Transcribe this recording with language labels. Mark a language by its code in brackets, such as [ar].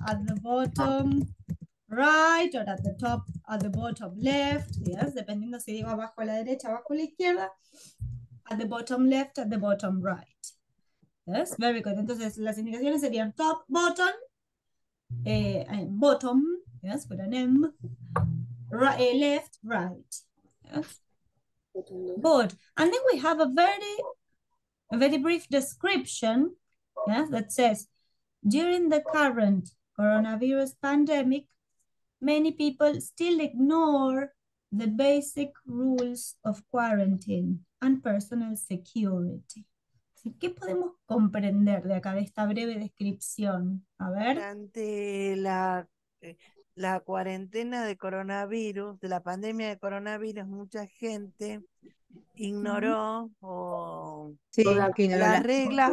[en] at the bottom right, or at the top, at the bottom left. Yes, [es] dependiendo si digo abajo a la derecha, abajo a la izquierda. [en] At the bottom left, at the bottom right. Yes, very good. [es] Entonces, las indicaciones serían [en] top, bottom, bottom, yes, with an M. Left, right. Yes. Good. And then we have a very brief description, yes, that says, during the current coronavirus pandemic, many people still ignore the basic rules of quarantine and personal security. [es] ¿Qué podemos comprender de acá de esta breve descripción? A ver. Durante la cuarentena de coronavirus, de la pandemia de coronavirus, mucha gente ignoró Sí, que ignoró las reglas